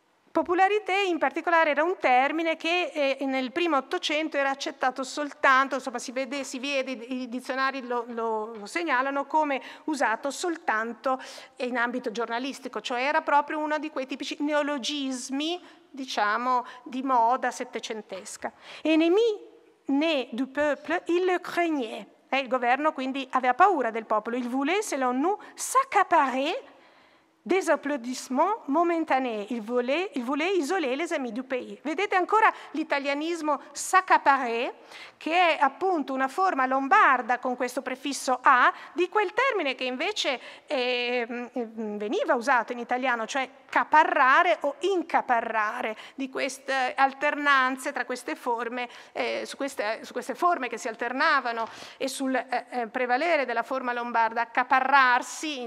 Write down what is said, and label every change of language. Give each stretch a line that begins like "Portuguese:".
Italian: Popularité in particolare era un termine che nel primo Ottocento era accettato soltanto, insomma si vede, i dizionari lo segnalano come usato soltanto in ambito giornalistico, cioè era proprio uno di quei tipici neologismi, diciamo, di moda settecentesca.
French: Ennemi né du peuple, il le craignait.
Italian: Il governo quindi aveva paura del popolo.
French: Il voulait, selon nous, s'accaparer Des applaudissements momentanés. Il voulait isoler les amis du pays.
Italian: Vedete ancora l'italianismo s'accaparer, che è appunto una forma lombarda con questo prefisso a, di quel termine che invece veniva usato in italiano, cioè caparrare o incaparrare, di queste alternanze tra queste forme, su queste forme che si alternavano e sul prevalere della forma lombarda, accaparrarsi.